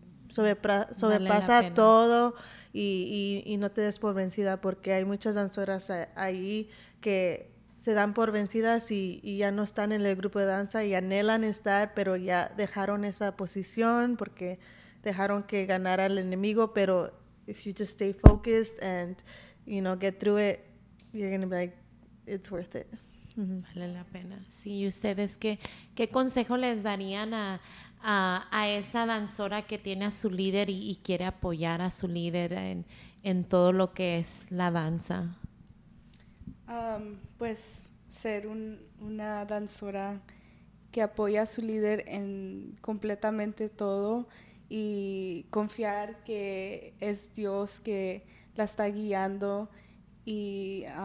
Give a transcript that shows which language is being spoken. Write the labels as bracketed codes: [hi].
[es] Sobrepasa vale todo y no te des por vencida, porque hay muchas danzoras ahí que se dan por vencidas y ya no están en el grupo de danza y anhelan estar, pero ya dejaron esa posición porque dejaron que ganara el enemigo. Pero [en] if you just stay focused and, you know, get through it, you're going to be like, it's worth it. [es] Mm-hmm. Vale la pena. Sí, ¿y ustedes qué consejo les darían a esa danzora que tiene a su líder y quiere apoyar a su líder en todo lo que es la danza? Pues ser una danzora que apoya a su líder en completamente todo y confiar que es Dios que la está guiando y